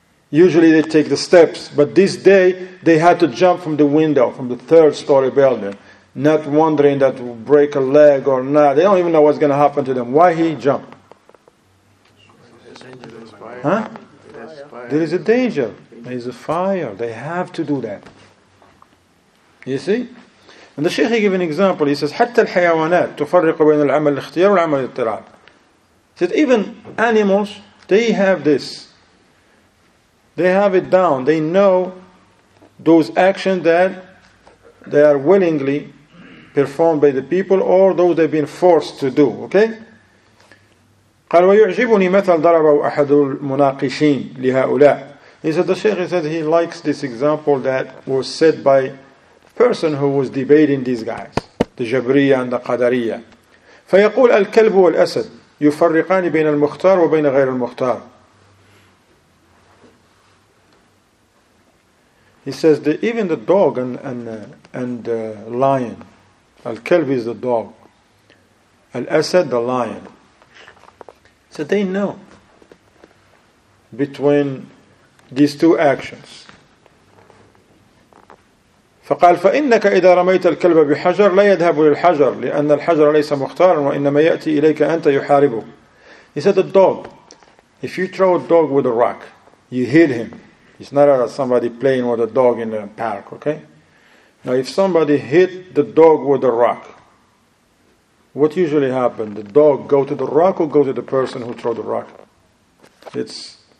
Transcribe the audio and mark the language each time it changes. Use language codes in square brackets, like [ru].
[en] Usually they take the steps, but this day they had to jump from the window, from the third story building, not wondering that will break a leg or not. They don't even know what's going to happen to them. Why he jump? Huh? There is a danger. There is a fire. They have to do that. You see? And the sheikh, he gave an example. [ar] He says, حَتَّى الْحَيَوَانَاتِ تُفَرِّقُ بَيْنَ الْعَمَلِ الْإِخْتِيَارِ وَالْعَمَلِ الْإِضْطِرَارِ. [en] He said, even animals, they have this. They have it down. They know those actions that they are willingly performed by the people or those they've been forced to do. Okay? [ar] قال ويعجبني مثل ضربه أحد المناقشين لهؤلاء. [en] He said, the sheikh, he said he likes this example that was said by person who was debating these guys, the Jabriya and the Qadariya. [ar] فيقول الكلب والأسد يفرقان بين المختار وبين غير المختار. [en] He says that even the dog and the lion, al-kalb is the dog, al-asad the lion. So they know between these two actions. [ar] فقال فإنك إذا رميت الكلب بحجر لا يذهب للحجر لأن الحجر ليس مختارا وإنما يأتي إليك أنت يحاربه. [en] He said the dog, if you throw a dog with a rock, you hit him. It's not about somebody playing with a dog in the park, okay? Now, if somebody hit the dog with a rock, what usually happens? The dog go to the rock or go to the person who threw the rock? It's